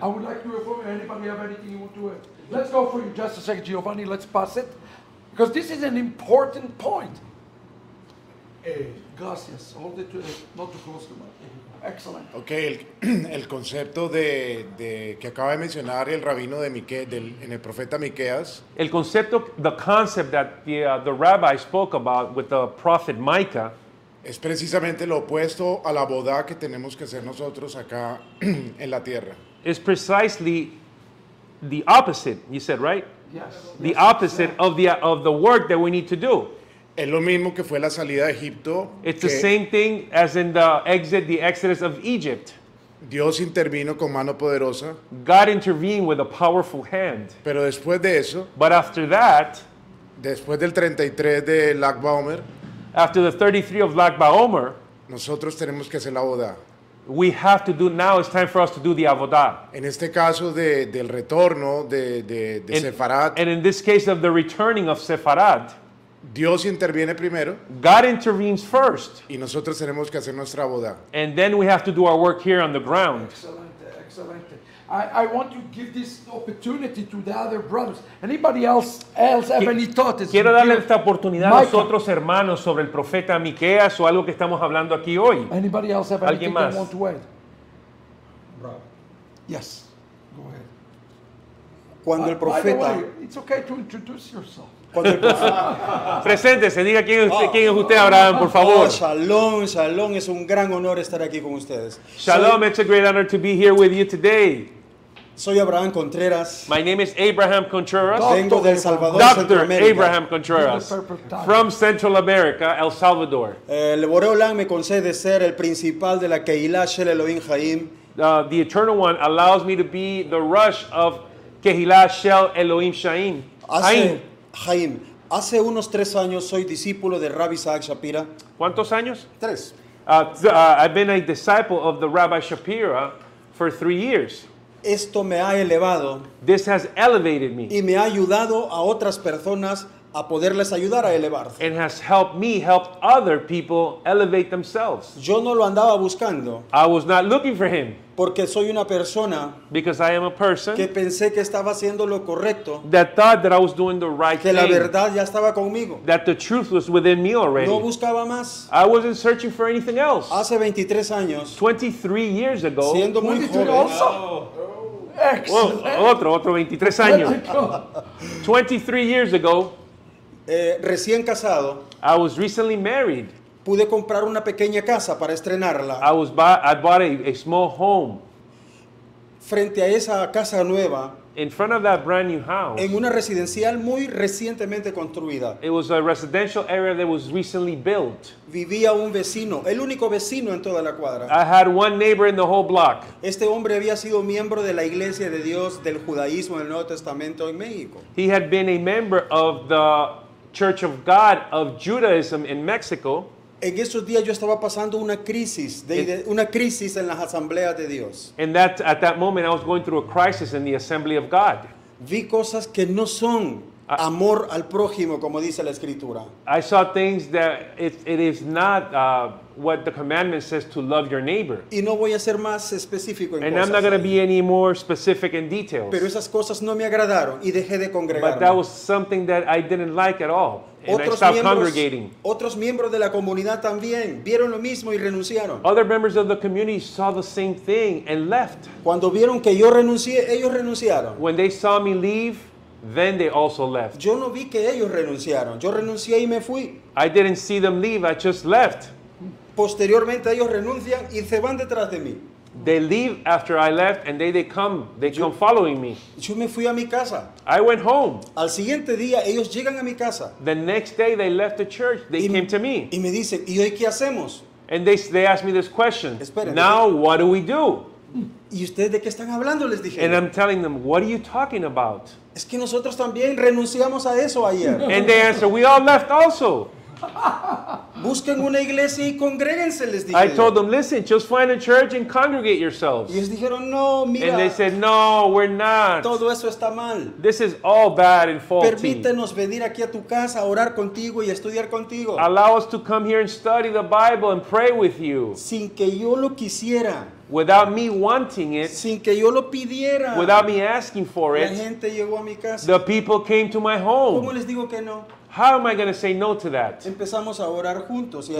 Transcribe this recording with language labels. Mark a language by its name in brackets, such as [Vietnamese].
[English] I would like to inform you, anybody have anything you want to add? Let's go for you just a second, Giovanni, let's pass it. Because this is an important point. Gracias. Hold it to the, not too close to my. Excellent. [Spanish] Okay, el concepto de que acaba de mencionar el rabino de Miqueas, en el profeta Miqueas. El concepto, [English] the concept that the rabbi spoke about with the prophet Micah. [Spanish] Es precisamente lo opuesto a la boda que tenemos que hacer nosotros acá en la tierra. [English] It's precisely the opposite, you said, right? Yes. The opposite of the work that we need to do. [Spanish] Es lo mismo que fue la salida de Egipto. [English] It's the same thing as in the exodus of Egypt. [Spanish] Dios intervino con mano poderosa. [English] God intervened with a powerful hand. [Spanish] Pero después de eso. [English] But after that. [Spanish] Después del 33 de Lag BaOmer. [English] After the 33 of Lag BaOmer. [Spanish] Nosotros tenemos que hacer la boda. [English] We have to do now. It's time for us to do the avodah. [Spanish] En este caso del retorno de Sefarad. [English] And in this case of the returning of Sefarad. [Spanish] Dios interviene primero. [English] God intervenes first. [Spanish] Y nosotros tenemos que hacer nuestra boda. [English] And then we have to do our work here on the ground. Excellent, excellent. I want to give this opportunity to the other brothers. Anybody else have any thoughts? [Spanish] Quiero darle esta oportunidad a los otros hermanos sobre el profeta Miqueas o algo que estamos hablando aquí hoy. [English] Anybody else have anything they want to add? Yes. Go ahead. [Spanish] Cuando el profeta. [English] By the way, it's okay to introduce yourself. [Spanish] Preséntese, diga quién es usted, Abraham, por favor. Oh, shalom, shalom, es un gran honor estar aquí con ustedes. [English] Shalom, it's a great honor to be here with you today. [Spanish] Soy Abraham Contreras. [English] My name is Abraham Contreras. [Spanish] Vengo del Salvador, [English] Doctor Abraham Contreras. From Central America, El Salvador. [Spanish] El Boreolam me concede ser el principal de la Keilah Shel Elohim Chaim. [English] The Eternal One allows me to be the rush of Keilah Shel Elohim Chaim. [Spanish] Chaim, hace unos 3 años soy discípulo de Rabbi Isaac Shapira. ¿Cuántos años? 3. [English] I've been a disciple of the Rabbi Shapira for 3 years. [Spanish] Esto me ha elevado. [English] This has elevated me. [Spanish] Y me ha ayudado a otras personas a poderles ayudar a elevarse. [English] And has helped me help other people elevate themselves. [Spanish] Yo no lo andaba buscando. [English] I was not looking for him. [Spanish] Porque soy una persona. [English] Because I am a person. [Spanish] Que pensé que estaba haciendo lo correcto. [English] That thought that I was doing the right [Spanish] thing. Que la verdad ya estaba conmigo. [English] That the truth was within me already. [Spanish] No buscaba más. [English] I wasn't searching for anything else. [Spanish] Hace 23 años. [English] 23 years ago. [Spanish] Siendo muy joven. [English] Excellent. [Spanish] Otro 23 años. [English] 23 years ago. [Spanish] Recién casado. [English] I was recently married. [Spanish] Pude comprar una pequeña casa para estrenarla. [English] I bought a small home. [Spanish] Frente a esa casa nueva. [English] In front of that brand new house. [Spanish] En una residencial muy recientemente construida. [English] It was a residential area that was recently built. [Spanish] Vivía un vecino, el único vecino en toda la cuadra. [English] I had one neighbor in the whole block. [Spanish] Este hombre había sido miembro de la Iglesia de Dios del judaísmo del Nuevo Testamento en México. [English] He had been a member of the Church of God of Judaism in Mexico. [Spanish] En esos días yo estaba pasando una crisis, una crisis en las asambleas de Dios. [English] And at that moment I was going through a crisis in the assembly of God. [Spanish] Vi cosas que no son amor al prójimo, como dice la escritura. [English] I saw things that it is not what the commandment says to love your neighbor. [Spanish] Y no voy a ser más específico en [English] and And I'm not going to be any more specific in details. [Spanish] Pero esas cosas no me agradaron y dejé de congregarme. [English] But that was something that I didn't like at all. And [Spanish] otros [English] I stopped [Spanish] miembros, [English] congregating. [Spanish] Otros miembros de la comunidad también vieron lo mismo y renunciaron. [English] Other members of the community saw the same thing and left. [Spanish] Cuando vieron que yo renuncié, ellos renunciaron. [English] When they saw me leave, then they also left. [Spanish] Yo no vi que ellos renunciaron. Yo renuncié y me fui. [English] I didn't see them leave, I just left. [Spanish] Posteriormente ellos renuncian y se van detrás de mí. [English] They leave after I left and they come following me. [Spanish] Yo me fui a mi casa. [English] I went home. [Spanish] Al siguiente día ellos llegan a mi casa. [English] The next day they left the church, came to me. [Spanish] Y me dicen, ¿y hoy qué hacemos? [English] And they ask me this question. [Spanish] Espérate. [English] Now what do we do? [Spanish] ¿Y ustedes de qué están hablando? Les dije. [English] And I'm telling them, what are you talking about? [Spanish] Es que nosotros también renunciamos a eso ayer. [English] And they answer, we all left also. [Spanish] Busquen una iglesia y congréguense, les dije. [English] I told them, listen, just find a church and congregate yourselves. [Spanish] Y ellos dijeron, no, mira. [English] And they said, no, we're not. [Spanish] Todo eso está mal. [English] This is all bad and faulty. [Spanish] Permítenos venir aquí a tu casa a orar contigo y estudiar contigo. [English] Allow us to come here and study the Bible and pray with you. [Spanish] Sin que yo lo quisiera. [English] Without me wanting it. [Spanish] Sin que yo lo pidiera. [English] Without me asking for it. [Spanish] La gente llegó a mi casa. [English] The people came to my home. [Spanish] ¿Cómo les digo que no? [English] How am I going to say no to that? [Spanish] Empezamos a orar juntos y a